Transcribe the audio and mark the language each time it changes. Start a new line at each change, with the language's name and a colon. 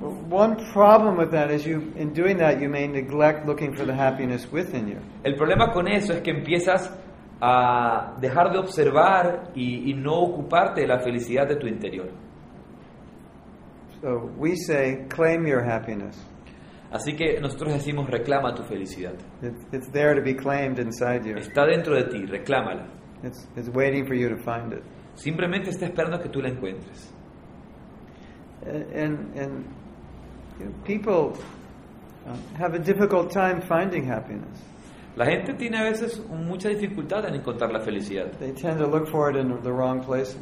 English: One problem with that is you, in doing that, you may neglect looking for the happiness within you.
Spanish: El problema con eso es que empiezas a dejar de observar y no ocuparte de la felicidad de tu interior.
English: So we say, claim your happiness.
Spanish: Así que nosotros decimos, reclama tu felicidad.
English: It's there to be claimed inside you.
Spanish: Está dentro de ti, reclámala.
English: It's waiting for you to find it.
Spanish: Simplemente está esperando que tú la encuentres.
English: And people have a difficult time finding happiness.
Spanish: La gente tiene a veces mucha dificultad en encontrar la felicidad.
English: They tend to look for it in the wrong places.